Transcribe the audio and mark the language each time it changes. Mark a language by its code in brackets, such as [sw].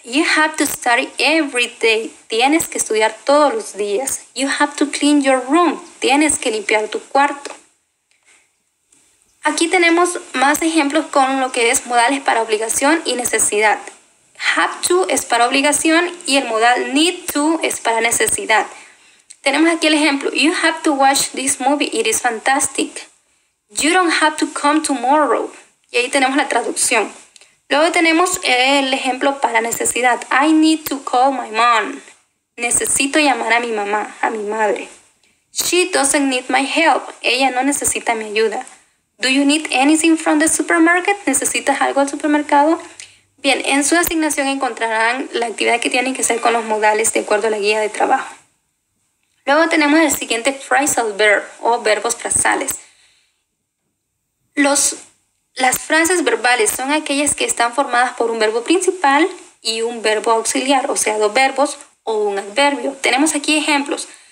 [en] You have to study every day. [es] Tienes que estudiar todos los días. [en] You have to clean your room. [es] Tienes que limpiar tu cuarto. Aquí tenemos más ejemplos con lo que es modales para obligación y necesidad. Have to es para obligación y el modal need to es para necesidad. Tenemos aquí el ejemplo. [en] You have to watch this movie. It is fantastic. You don't have to come tomorrow. [es] Y ahí tenemos la traducción. Luego tenemos el ejemplo para necesidad. [en] I need to call my mom. [es] Necesito llamar a mi mamá, a mi madre. [en] She doesn't need my help. [es] Ella no necesita mi ayuda. [en] Do you need anything from the supermarket? [es] ¿Necesitas algo al supermercado? Bien, en su asignación encontrarán la actividad que tienen que hacer con los modales de acuerdo a la guía de trabajo. Luego tenemos el siguiente phrasal verb o verbos frasales. Las frases verbales son aquellas que están formadas por un verbo principal y un verbo auxiliar, o sea, dos verbos o un adverbio. Tenemos aquí ejemplos.